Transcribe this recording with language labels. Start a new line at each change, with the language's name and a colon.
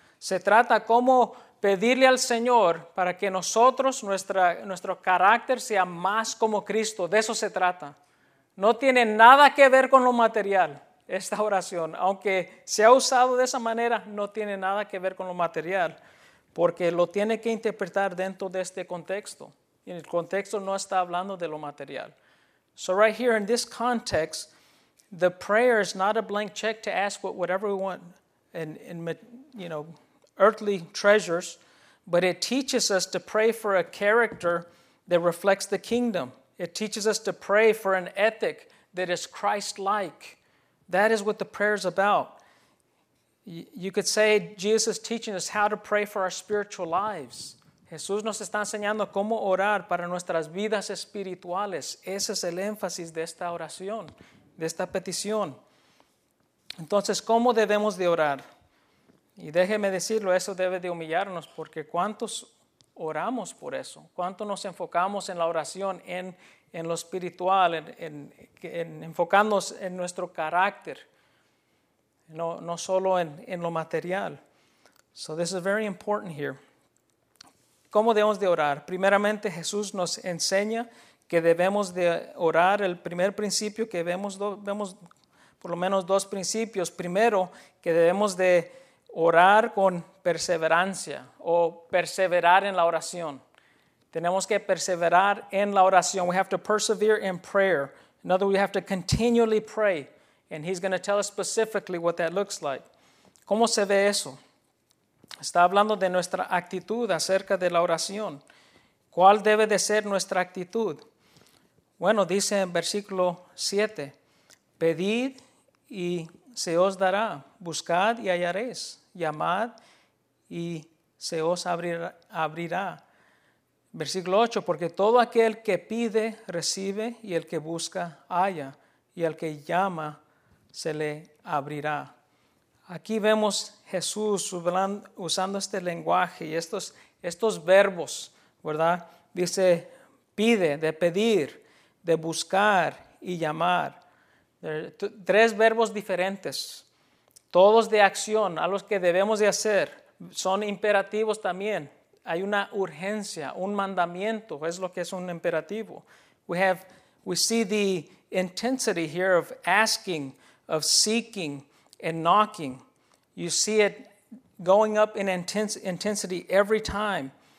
Spanish: Se trata cómo pedirle al Señor para que nosotros, nuestro carácter sea más como Cristo. De eso se trata. No tiene nada que ver con lo material, esta oración. Aunque se ha usado de esa manera, no tiene nada que ver con lo material. Porque lo tiene que interpretar dentro de este contexto. Y el contexto no está hablando de lo material.
English: So right here in this context, the prayer is not a blank check to ask for whatever we want in you know, earthly treasures, but it teaches us to pray for a character that reflects the kingdom. It teaches us to pray for an ethic that is Christ-like. That is what the prayer is about. You could say Jesus is teaching us how to pray for our spiritual lives.
Spanish: Jesús nos está enseñando cómo orar para nuestras vidas espirituales. Ese es el énfasis de esta oración. De esta petición. Entonces, ¿cómo debemos de orar? Y déjeme decirlo, eso debe de humillarnos, porque ¿cuántos oramos por eso? ¿Cuánto nos enfocamos en la oración, en lo espiritual, en enfocarnos en nuestro carácter? No solo en lo material.
English: So this is very important here.
Spanish: ¿Cómo debemos de orar? Primeramente, Jesús nos enseña que debemos de orar. El primer principio que vemos por lo menos dos principios. Primero, que debemos de orar con perseverancia o perseverar en la oración. Tenemos que perseverar en la oración.
English: We have to persevere in prayer. In other words, we have to continually pray. And he's going to tell us specifically what that looks like.
Spanish: ¿Cómo se ve eso? Está hablando de nuestra actitud acerca de la oración. ¿Cuál debe de ser nuestra actitud? Bueno, dice en versículo 7, pedid y se os dará, buscad y hallaréis, llamad y se os abrirá. Versículo 8, porque todo aquel que pide recibe y el que busca halla y el que llama se le abrirá. Aquí vemos Jesús usando este lenguaje y estos verbos, ¿verdad? Dice pide, de pedir, de buscar y llamar. Tres verbos diferentes. todos de acción, a los que debemos de hacer, son imperativos también. Hay una urgencia, un mandamiento, es lo que es un imperativo.
English: We see the intensity here of asking, of seeking and knocking. You see it going up in intensity every time.